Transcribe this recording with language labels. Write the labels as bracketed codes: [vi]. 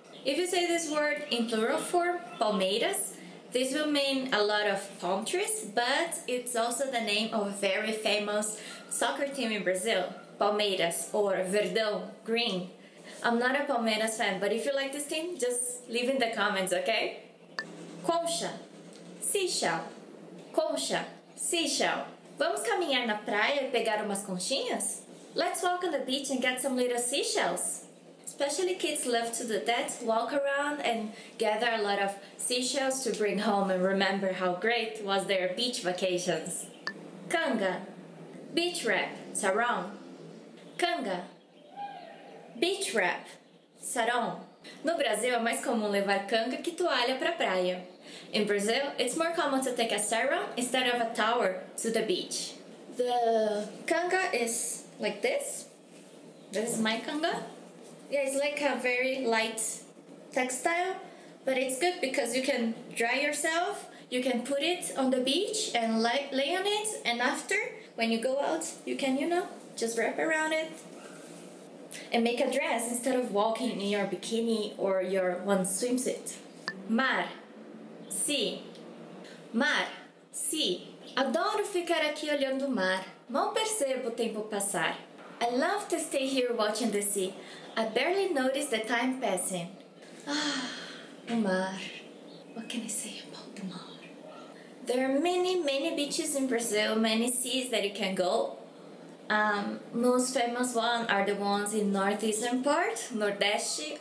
[en] If you say this word in plural form, palmeiras, this will mean a lot of palm trees, but it's also the name of a very famous soccer team in Brazil, Palmeiras, or Verdão, green. I'm not a Palmeiras fan, but if you like this team, just leave in the comments, okay? [pt] Concha. [en] Seashell. [pt] Concha. [en] Seashell. [pt] Vamos caminhar na praia e pegar umas conchinhas? [en] Let's walk on the beach and get some little seashells. Especially kids love to do that, walk around and gather a lot of seashells to bring home and remember how great was their beach vacations. [pt] Kanga. [en] Beach wrap. Sarong. Kanga. Beach wrap. Sarong. [pt] No Brasil, é mais comum levar canga que toalha para a praia. [en] In Brazil, it's more common to take a sarong instead of a towel to the beach. The kanga is like this. This is my kanga. Yeah, it's like a very light textile, but it's good because you can dry yourself, you can put it on the beach and lay on it, and after, when you go out, you can, you know, just wrap around it and make a dress instead of walking in your bikini or your one swimsuit. [pt] Mar. [en] Sea. Mar. [pt] Sea. Adoro ficar aqui olhando o mar. Mal percebo o tempo passar. [en] I love to stay here watching the sea. I barely notice the time passing. [pt] Ah, o mar. [en] What can I say about the mar? There are many, many beaches in Brazil, many seas that you can go. Most famous ones are the ones in northeastern part, Nordeste.